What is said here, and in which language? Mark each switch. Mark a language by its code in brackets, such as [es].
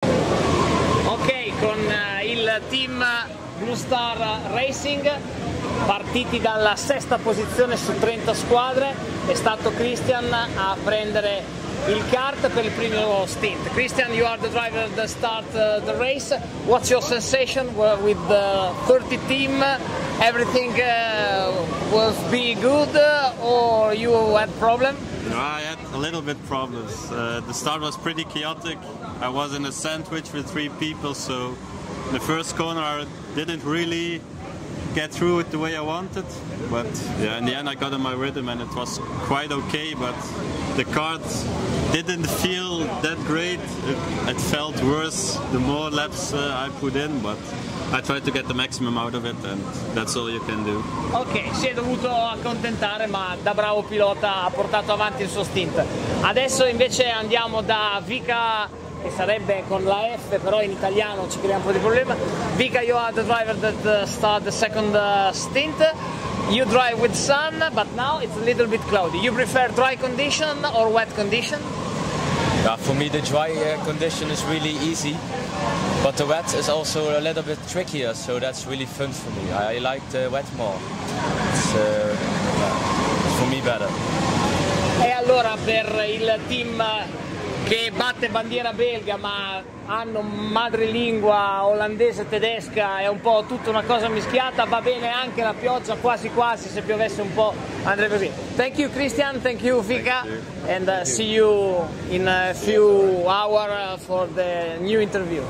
[it] con il team BlueStar Racing, partiti dalla sesta posizione su 30 squadre, è stato Christian a prendere il kart per il primo stint. [en] Christian, you are the driver that start the race. What's your sensation with the 30 team? Everything was be good or you had problem? No, I had a little bit problems. The start was pretty chaotic. I was in a sandwich with three people, so the first corner I didn't really get through it the way I wanted, but yeah, in the end I got in my rhythm and it was quite okay, but the kart didn't feel that great. It felt worse the more laps I put in, but I tried to get the maximum out of it and that's all you can do. [it] Okay, si è dovuto accontentare, ma da bravo pilota ha portato avanti il suo stint. Adesso invece andiamo da Vica, che sarebbe con la F, però in italiano ci crea un po' di problema. [en] Vica, you are the driver that start the second stint. You drive with sun, but now it's a little bit cloudy. You prefer dry condition or wet condition? Yeah, for me the dry condition is really easy, but the wet is also a little bit trickier, so that's really fun for me. I like the wet more. It's for me better. [it] E allora per il team che batte bandiera belga ma hanno madrelingua olandese, tedesca, è un po' tutta una cosa mischiata, va bene anche la pioggia, quasi quasi, se piovesse un po' andrebbe bene. [en] Thank you Christian, thank you Vica, thank you. And thank you. See you in a few hours for the new interview.